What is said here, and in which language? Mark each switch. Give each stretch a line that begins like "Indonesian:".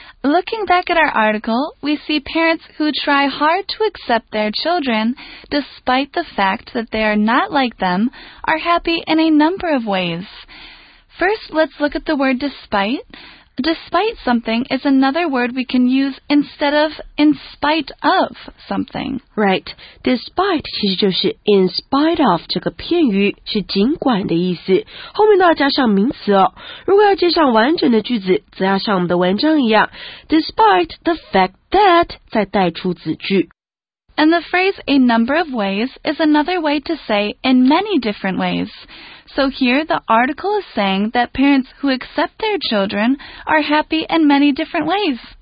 English: Looking back at our article, we see parents who try hard to accept their children, despite the fact that they are not like them, are happy in a number of ways. First, let's look at the word despite. Despite something is another word we can use instead of in spite of something. Right.
Chinese: Despite 其实就是
English: in spite of
Chinese: 这个片语是尽管的意思。后面都要加上名词哦。如果要接上完整的句子则要像我们的文章一样。
English: Despite the fact that
Chinese: 再带出子句。
English: And the phrase a number of ways is another way to say in many different ways. So here, the article is saying that parents who accept their children are happy in many different ways.